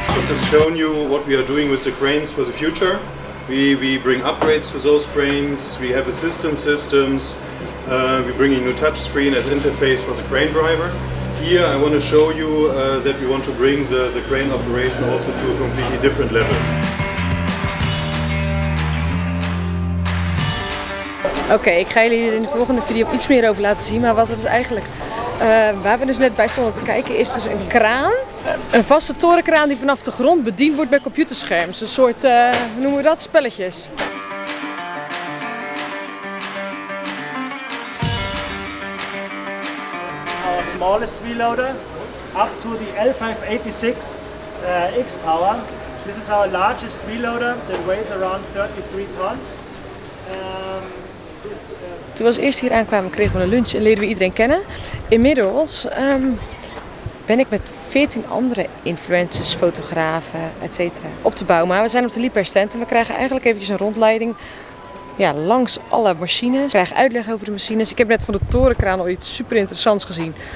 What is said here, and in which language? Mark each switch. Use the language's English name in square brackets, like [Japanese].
[English] Has shown you what we are doing with the cranes for the future. We bring upgrades to those cranes, we have assistance systems, we bring a new touch screen as interface for the crane driver. Here I want to show you that we want to bring the crane operation also to a completely different level. [Dutch] Okay, ik ga jullie in de volgende video iets meer over laten zien, maar wat het is eigenlijk waar we dus net bij stonden te kijken is dus een kraan. Een vaste torenkraan die vanaf de grond bediend wordt bij computerscherms. Een soort, hoe noemen we dat, spelletjes. [English] Our smallest reloader, up to the L586 X-Power. This is our largest reloader, that weighs around 33 tons. [Dutch] Toen we als eerste hier aankwamen, kregen we een lunch en leerden we iedereen kennen. Inmiddels ben ik met 14 andere influencers, fotografen, etc. op de Bauma. We zijn op de Liper stand en we krijgen eigenlijk eventjes een rondleiding langs alle machines. Ik krijg uitleg over de machines. Ik heb net van de torenkraan al iets super interessants gezien.